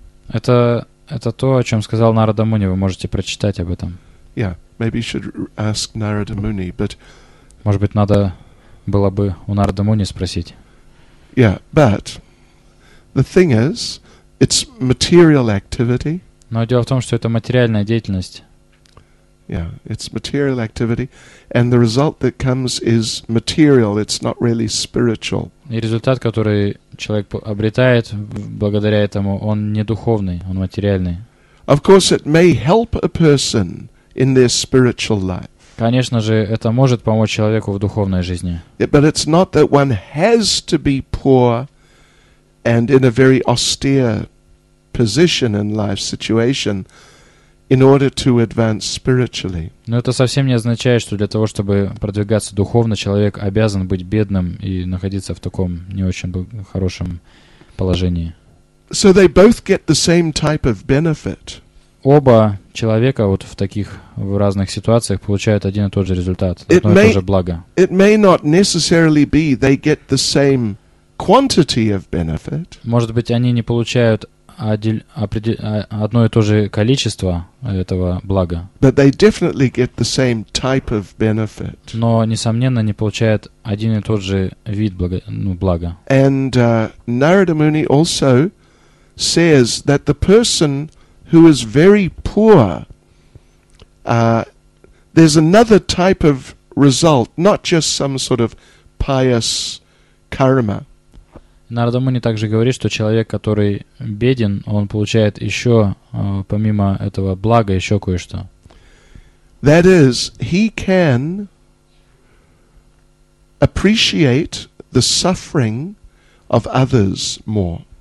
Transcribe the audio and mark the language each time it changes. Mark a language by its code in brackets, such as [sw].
[ru] Это то, о чем сказал Нарада Муни. Вы можете прочитать об этом. [en] Yeah, maybe you should ask Narada Muni, but. [ru] Может быть, надо было бы у Нарада Муни спросить. [en] Yeah, but the thing is, it's material activity. [ru] Но дело в том, что это материальная деятельность. [en] Yeah, it's material activity, and the result that comes is material. It's not really spiritual. [ru] И результат, который человек обретает благодаря этому, он не духовный, он материальный. [en] Of course, it may help a person in their spiritual life. [ru] Конечно же, это может помочь человеку в духовной жизни. [en] But it's not that one has to be poor and in a very austere position in life situation in order to advance spiritually. [ru] Но это совсем не означает, что для того, чтобы продвигаться духовно, человек обязан быть бедным и находиться в таком не очень хорошем положении. [en] So they both get the same type of benefit. [ru] оба человека вот в таких в разных ситуациях получают один и тот же результат, одно и то же благо. [en] It may not necessarily be they get the same quantity of benefit. [ru] Может быть, они не получают одно и то же количество этого блага. [en] But they definitely get the same type of benefit. [ru] Но несомненно, они получают один и тот же вид блага. Ну, блага. [en] And Narada Muni also says that the person who is very poor, there's another type of result, not just some sort of pious karma. [ru] Нарада Муни также говорит, что человек, который беден, он получает еще, помимо этого блага, еще кое-что. [en] That is, he can appreciate the suffering of others more.